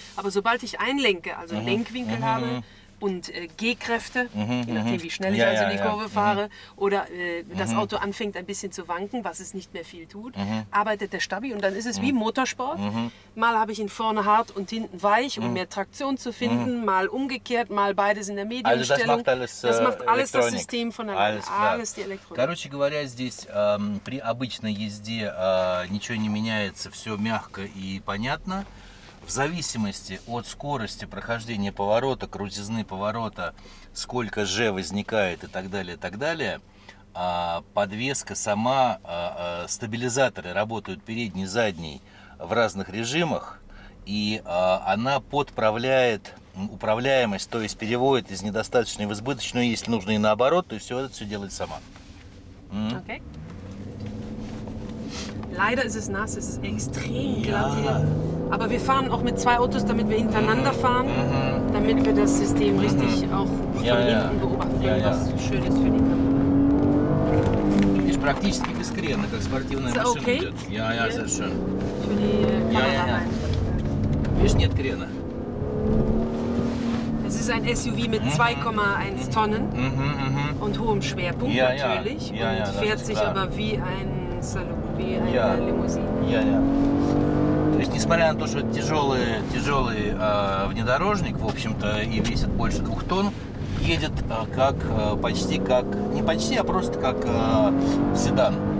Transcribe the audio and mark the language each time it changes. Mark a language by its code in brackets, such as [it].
[de] Aber sobald ich einlenke, also Lenkwinkel habe und G-Kräfte, je nachdem wie schnell ich in die Kurve fahre, oder das Auto anfängt ein bisschen zu wanken, was es nicht mehr viel tut, arbeitet der Stabi und dann ist es wie Motorsport. Mal habe ich ihn vorne hart und hinten weich, um mehr Traktion zu finden, mal umgekehrt, mal beides in der Medienstellung. Also das macht alles das System von allein, alles die Elektronik. [ru] Короче говоря, здесь при обычной езде ничего не меняется, все мягко и понятно. В зависимости от скорости прохождения поворота, крутизны поворота, сколько G возникает и так далее, подвеска сама, стабилизаторы работают передний, задний в разных режимах, и она подправляет управляемость, то есть переводит из недостаточной в избыточную, если нужно и наоборот, то есть все делает сама. [de] Leider ist es nass, es ist extrem glatt hier. Aber wir fahren auch mit zwei Autos, damit wir hintereinander fahren, damit wir das System richtig auch von hinten beobachten, was schön ist für die Kamera. Ist praktisch diskret, wie okay? Ja, ja, sehr schön. Für die Kamera. Ist nicht Kräne. Es ist ein SUV mit 2,1 Tonnen und hohem Schwerpunkt natürlich. Ja, ja. Und fährt sich aber wie ein Salon. [ru] То есть, несмотря на то, что это тяжелый внедорожник, в общем-то, и весит больше 2 тонн, едет как почти как не почти, а просто как седан.